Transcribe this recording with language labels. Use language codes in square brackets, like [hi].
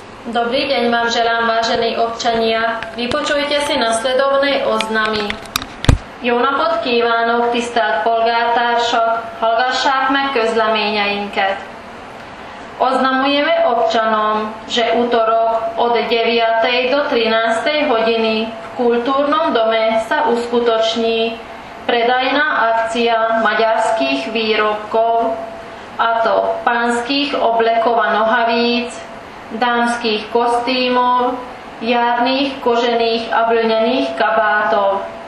[sk] Dobrý deň vám želám, vážení občania. Vypočujte si nasledovné oznamy. [hu] Jónapot kívánok, tisztelt polgártársak, hallgassák meg közleményeinket. [sk] Oznamujeme občanom, že útorok od 9. do 13. hodiny v kultúrnom dome sa uskutoční predajná akcia maďarských výrobkov, a to pánskych oblekov a nohavíc, dámskych kostýmov, jarných, kožených a vlnených kabátov.